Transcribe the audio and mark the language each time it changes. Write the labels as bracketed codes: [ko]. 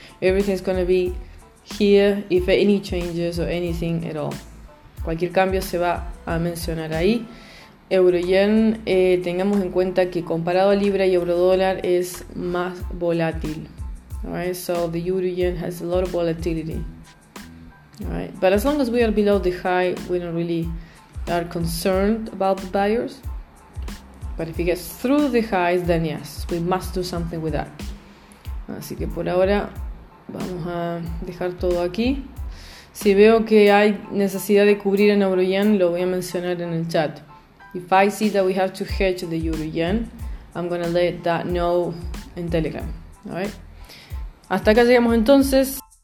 [en] Everything's gonna be here if any changes or anything at all. [es] Cualquier cambio se va a mencionar ahí. Euro yen, tengamos en cuenta que comparado a libra y euro dólar es más volátil. [en] All right, so the euro yen has a lot of volatility. All right, but as long as we are below the high, we don't really are concerned about the buyers. But if it gets through the highs, then yes, we must do something with that. [es] Así que por ahora vamos a dejar todo aquí. Si veo que hay necesidad de cubrir en euro yen, lo voy a mencionar en el chat. [en] If I see that we have to hedge the euro yen, I'm gonna let that know in Telegram. All right? [es] Hasta acá llegamos entonces.